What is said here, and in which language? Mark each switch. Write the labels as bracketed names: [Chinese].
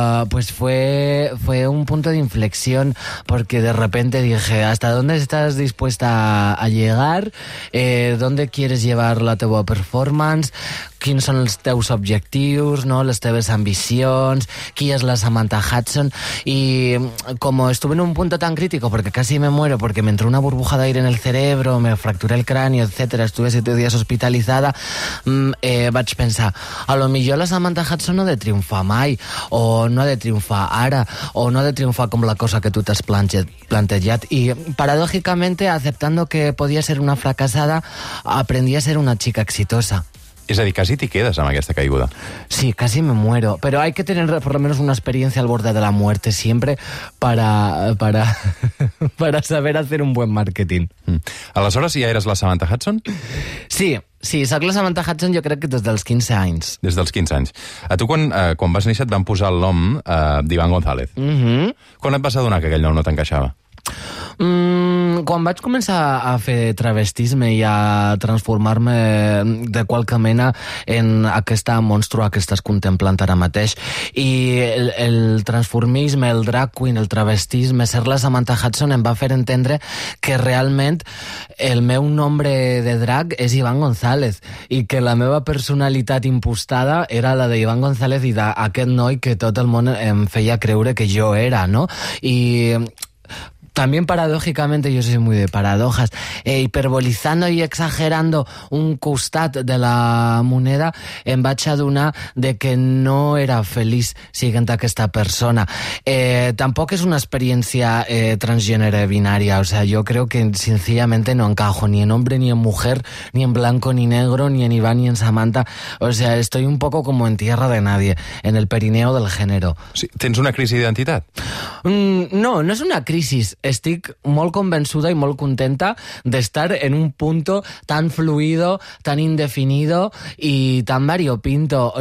[Spanish] Pues fue un punto de inflexión porque de repente dije, ¿hasta dónde estás dispuesta a llegar? ¿Dónde quieres llevar [Catalan] la teua [Spanish] performance? [Catalan] ¿Quins són els teus objectius, no? Les teves ambicions, qui és la Samantha Hudson? [Spanish] I com estuve en un punto tan crítico, porque casi me muero, porque me entró una burbuja d'aire en el cerebro, me fracturé el cráneo, etcétera, estuve 7 días hospitalizada, [Catalan] vaig pensar, a lo millor la Samantha Hudson no ha de triomfar mai, o no ha de triomfar ara, o no ha de triomfar com la cosa que tu t'has plantejat. [Spanish] I paradójicamente, aceptando que [Catalan] podia ser una fracassada, [Spanish] aprendí a ser una chica exitosa. [Catalan] És a dir, quasi t'hi quedes amb aquesta caiguda. [Spanish] Sí, quasi me muero. Però hay que tener por lo menos una experiencia al borde de la muerte siempre para saber hacer un buen marketing. [Catalan] Aleshores, ja eres la Samantha Hudson? Sí, sí, soc la Samantha Hudson jo crec que des dels 15 anys. Des dels 15 anys. A tu quan vas néixer et van posar el nom d'Ivan González. Mm-hmm. Quan et vas adonar que aquell nom no t'encaixava? Quan vaig començar a fer travestisme i a transformar-me de qualque mena en aquesta monstrua que estàs contemplant ara mateix, i el transformisme, el drag queen, el travestisme, ser la Samantha Hudson em va fer entendre que realment el meu nombre de drag és Iván González i que la meva personalitat impostada era la d'Iván González i d'aquest noi que tot el món em feia creure que jo era, no? I... [Spanish] también paradójicamente, yo soy muy de paradojas, hiperbolizando y exagerando un costat de la moneda, [Catalan] em vaig adonar de que no era feliç siguent aquesta persona. Tampoc és una experiència transgènere binària, [Spanish] o sea, yo creo que sencillamente no encajo ni en hombre, ni en mujer, ni en blanco, ni negro, ni en Iván, ni en Samantha. O sea, estoy un poco como en tierra de nadie, en el perineo del género. [Catalan] Sí, tens una crisi d'identitat? No, no és una crisi. Estic molt convençuda i molt contenta d'estar [Spanish] en un punto tan fluido, tan indefinido y tan variopinto.